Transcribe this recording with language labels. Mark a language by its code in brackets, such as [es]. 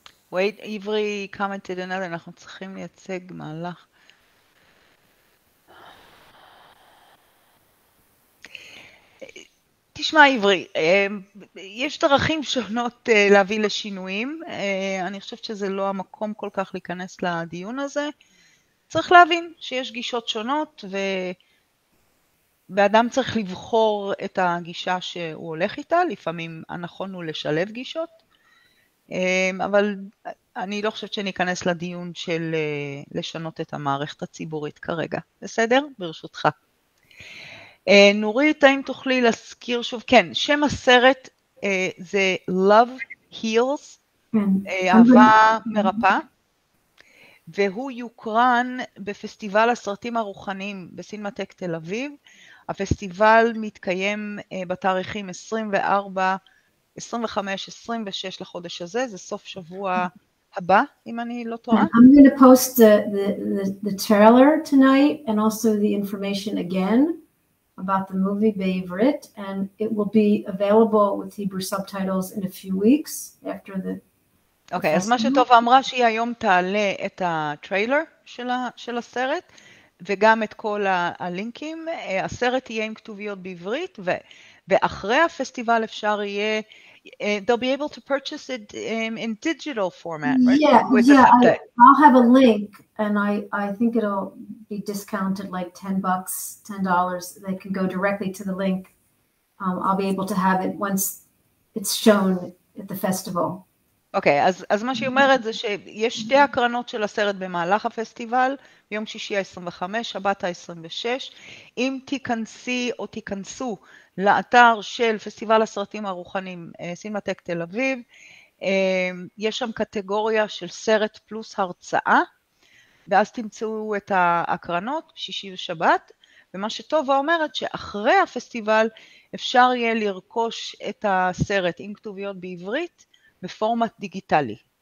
[en] Wait, Ivry commented another. [he] אנחנו צריכים לייצג מהלך. תשמע, Ivry, יש דרכים שונות להביא לשינויים. אני חושבת שזה לא המקום כל כך להיכנס לדיון הזה. צריך להבין שיש גישות שונות, ואדם צריך לבחור את הגישה שהוא הולך איתה. לפעמים הנכון הוא לשלב גישות, אבל אני לא חושבת שניכנס לדיון של לשנות את המערכת הציבורית כרגע. בסדר? ברשותך. נורית, האם תוכלי להזכיר שוב? כן, שם הסרט זה Love Heals, אהבה מרפא. והוא יוקרן בפסטיבל הסרטים הרוחניים בסינמטק תל אביב. הפסטיבל מתקיים בתאריכים 24, 25, 26 לחודש הזה, זה סוף שבוע הבא, אם אני לא טועה. [en] I'm going to post the trailer tonight and also the information again about the movie [he] בעברית, [en] and it will be available with Hebrew subtitles in a few weeks after the [he] אוקיי, אז מה שטובה אמרה שהיא היום תעלה את הטריילר של הסרט, וגם את כל הלינקים. הסרט יהיה עם כתוביות בעברית, ואחרי הפסטיבל אפשר יהיה, [en] they'll be able to purchase it in digital format, right? Yeah, I'll have a link, and I think it'll be discounted like $10, $10. They can go directly to the link. I'll be able to have it once it's shown at the festival. [he] אוקיי, אז מה שהיא אומרת זה שיש שתי הקרנות של הסרט במהלך הפסטיבל, יום שישי ה-25, שבת ה-26. אם תיכנסי או תיכנסו לאתר של פסטיבל הסרטים הרוחניים, סינמטק תל אביב, יש שם קטגוריה של סרט פלוס הרצאה, ואז תמצאו את ההקרנות, שישי ושבת, ומה שטובה אומרת שאחרי הפסטיבל אפשר יהיה לרכוש את הסרט עם כתוביות בעברית, בפורמט דיגיטלי.